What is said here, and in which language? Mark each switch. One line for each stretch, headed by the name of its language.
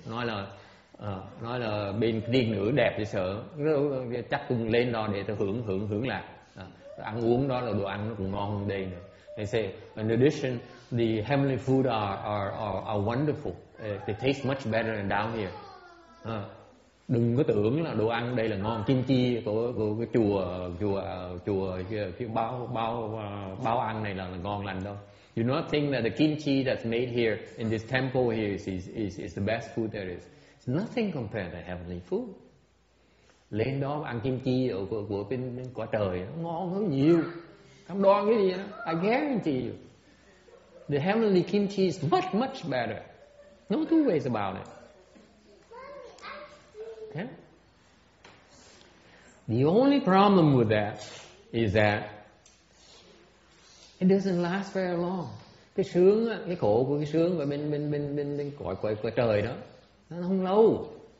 Vietnamese: Nói là bên tiên nữ đẹp thì sợ, chắc cũng lên đó để hưởng lạc. Ăn uống đó là đồ ăn nó cũng ngon hơn đây nữa.
English: They say, in addition, the heavenly food are wonderful. They taste much better than down here.
Vietnamese: Đừng có tưởng là đồ ăn đây là ngon, kim chi của cái chùa cái bao ăn này là ngon lành đâu.
English: You not think that the kimchi that's made here in this temple here is the best food there is. It's nothing compared to heavenly food.
Vietnamese: Lên đó ăn kim chi của bên quả trời nó ngon hơn nhiều. Không đoan cái gì đó.
English: I guarantee you. The heavenly kimchi is much, much better. No two ways about it. Okay? The only problem with that is that it doesn't last very long.
Vietnamese: Cái sướng, cái khổ của cái sướng và bên cõi trời đó, nó không lâu.